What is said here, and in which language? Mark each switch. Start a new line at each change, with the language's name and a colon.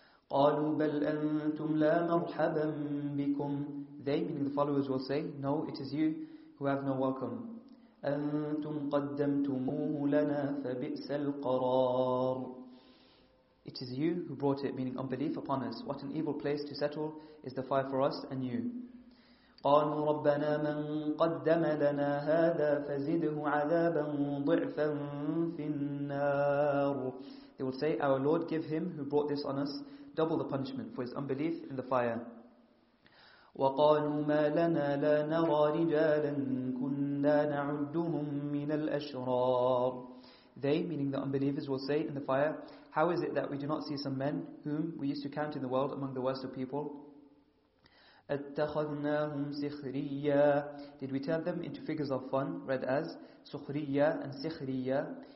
Arabic: قالوا بل أنتم لا مرحبا بكم.
English: They, meaning the followers, will say, no, it is you who have no welcome.
Arabic: أنتم قدمتموه لنا فبئس القرار.
English: It is you who brought it, meaning unbelief, upon us. What an evil place to settle is the fire for us and you.
Arabic: قالوا ربنا من قدم لنا هذا فزده عذابا ضعفا في النار.
English: They will say, our Lord, give him who brought this on us double the punishment for his unbelief in the fire.
Arabic: وقالوا ما لنا لا نرى رجالا كنا نعدهم من الأشرار.
English: They, meaning the unbelievers, will say in the fire, how is it that we do not see some men whom we used to count in the world among the worst of people?
Arabic: أتخذناهم سخريا.
English: Did we turn them into figures of fun, read as سخريا and سخريا.